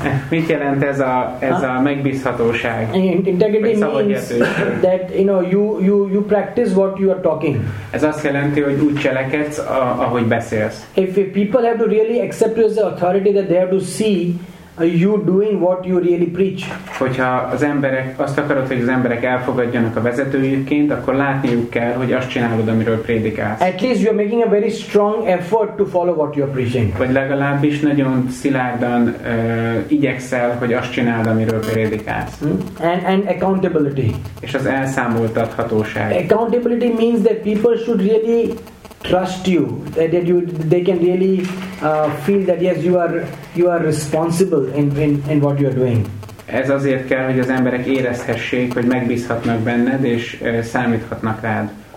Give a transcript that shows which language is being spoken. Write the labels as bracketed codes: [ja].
[hu] Mit jelent ez a megbízhatóság? [en] Integrity means that you know you practice what you are talking. [hu] Ez azt jelenti, hogy úgy cselekedsz, ahogy beszélsz. [en] If people have to really accept you as the authority, that they have to see you doing what you really preach. [hu] Hogyha az emberek azt akarod, hogy az emberek elfogadjanak a vezetőjükként, akkor látniuk kell, hogy azt csinálod, amiről prédikálsz. [en] At least you are making a very strong effort to follow what you are preaching. [hu] Vagy legalábbis nagyon szilárdan igyekszel, hogy azt csináld, amiről prédikálsz. [en] And accountability. [hu] És az elszámoltathatóság. [en] Accountability means that people should really trust you, that you, they can really feel that yes, you are responsible in what you are doing. [hu] Ez azért kell, hogy az emberek érezhessék, hogy megbízhatnak benned és számíthatnak rád.